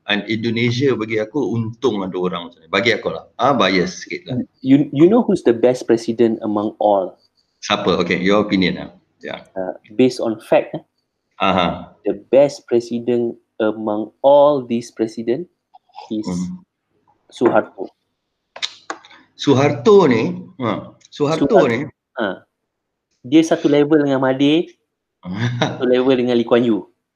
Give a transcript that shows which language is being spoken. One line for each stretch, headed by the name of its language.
Malay: and Indonesia bagi aku untung ada orang macam ni. Bagi aku lah. Ah, bias sikit lah.
English: You know who's the best president among all?
Malay: Siapa? Okay,
English: your opinion
Malay: lah. Yeah.
English: Based on fact, uh-huh. The best president among all these president is Suharto.
Malay: Suharto ni, Suharto ni. Dia satu level dengan Mahathir, satu level dengan Lee Kuan Yew.